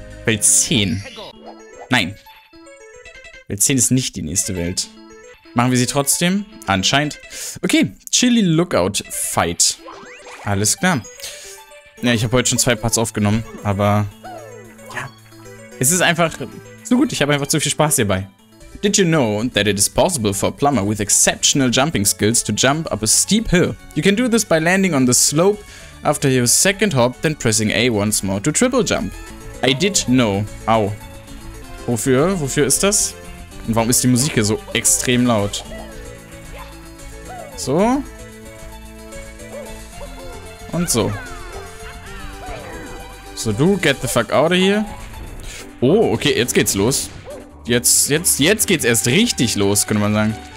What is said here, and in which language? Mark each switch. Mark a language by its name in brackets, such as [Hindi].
[German] Welt 10. Nein. Welt 10 ist nicht die nächste Welt. Machen wir sie trotzdem? Anscheinend. Okay, Chili Lookout Fight. Alles klar. Ja, ich habe heute schon zwei Parts aufgenommen, aber ja, es ist einfach so gut. Ich habe einfach zu viel Spaß hierbei. [English] Did you know that it is possible for a plumber with exceptional jumping skills to jump up a steep hill? You can do this by landing on the slope after your second hop, then pressing A once more to triple jump. I did know. [German] Au. Wofür? Wofür ist das? Und warum ist die Musik hier so extrem laut? So. Und so. So, du, [English] get the fuck out of here. [German] Oh, okay, jetzt geht's los. Jetzt geht's erst richtig los, könnte man sagen.